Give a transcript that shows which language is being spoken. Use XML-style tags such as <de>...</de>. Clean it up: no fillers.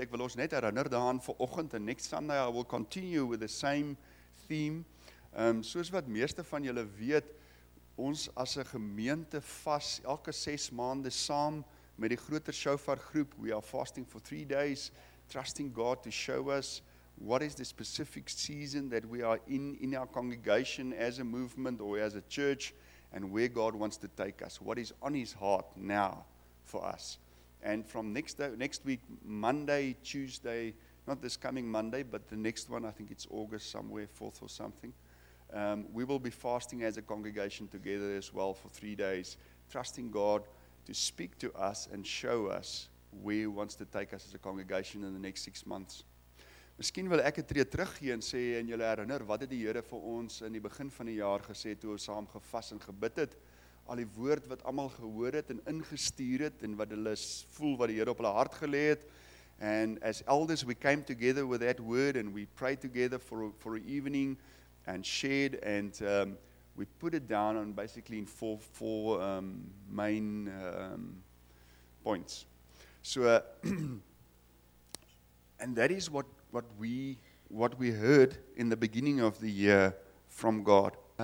<af>Ek wil ons net herinner daaraan vir oggend,</af> <en>and next Sunday I will continue with the same theme.</en> <af>Soos wat meeste van julle weet, ons as 'n gemeente vas elke 6 maande saam met die groter Shofar groep.</af> <en>We are fasting for 3 days, trusting God to show us what is the specific season that we are in our congregation as a movement or as a church, and where God wants to take us, what is on his heart now for us. And from next week, Monday, Tuesday, not this coming Monday, but the next one, I think it's August somewhere, 4th or something, we will be fasting as a congregation together as well for 3 days, trusting God to speak to us and show us where he wants to take us as a congregation in the next 6 months.</en> <af>Miskien wil ek 'n tree teruggee en sê, en julle herinner, wat het die Here vir ons in die begin van die jaar gesê, toe ons saam gevas en gebid het, al die woord wat allemaal gehoor het en ingestuur het, en wat hulle voel wat die Here op hulle hart gelê het.</af> <en>And as elders, we came together with that word, and we prayed together for an evening, and shared, and we put it down on basically in four main points. So, and that is what we heard in the beginning of the year from God.</en>